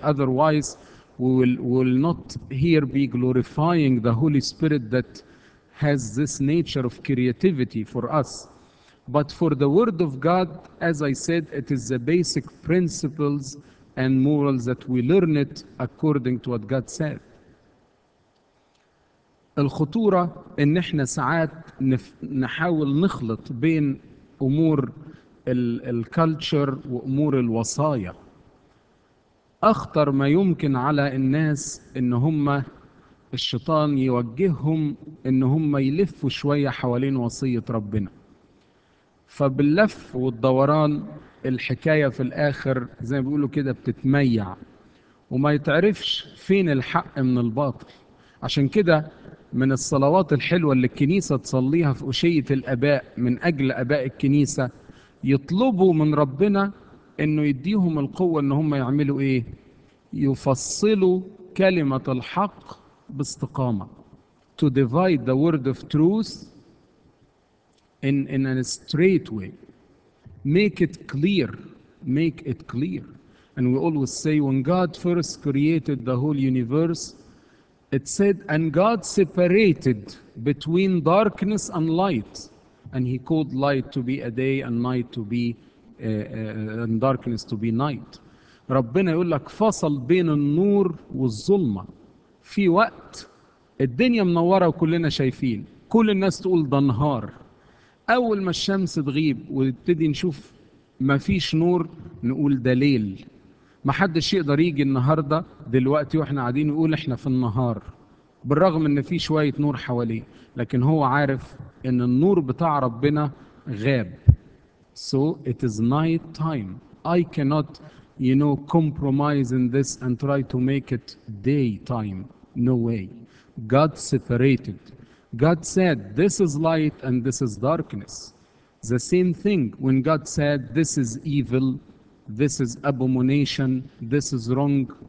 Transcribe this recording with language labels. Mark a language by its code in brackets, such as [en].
[en] Otherwise, we will not here be glorifying the Holy Spirit that has this nature of creativity for us. But for the Word of God, as I said, it is the basic principles and morals that we learn it according to what God said. [ar] الخطورة ان احنا ساعات نحاول نخلط بين امور الكالتشر وامور الوصايا. اخطر ما يمكن على الناس ان هم الشيطان يوجههم ان هم يلفوا شوية حوالين وصية ربنا، فباللف والدوران الحكاية في الاخر زي ما بيقولوا كده بتتميع وما يتعرفش فين الحق من الباطل. عشان كده من الصلوات الحلوة اللي الكنيسة تصليها في أشية الأباء من أجل أباء الكنيسة، يطلبوا من ربنا أنه يديهم القوة أن هم يعملوا إيه؟ يفصلوا كلمة الحق باستقامة. [en] To divide the word of truth in a straight way. Make it clear. Make it clear. And we always say, when God first created the whole universe, it said, and God separated between darkness and light, and He called light to be a day and night to be and darkness to be night. [ar] ربنا يقول لك فصل بين النور والظلمة. في وقت الدنيا منورة وكلنا شايفين، كل الناس تقول ده نهار. أول ما الشمس تغيب ونبتدي نشوف ما فيش نور، نقول ده ليل. ما حدش يقدر يجي النهاردة دلوقتي وإحنا قاعدين يقول إحنا في النهار، بالرغم ان في شوية نور حواليه، لكن هو عارف ان النور بتاع ربنا غاب. [en] So it is night time. I cannot, you know, compromise in this and try to make it day time. No way. God separated. God said, this is light and this is darkness. The same thing when God said, this is evil, this is abomination, this is wrong.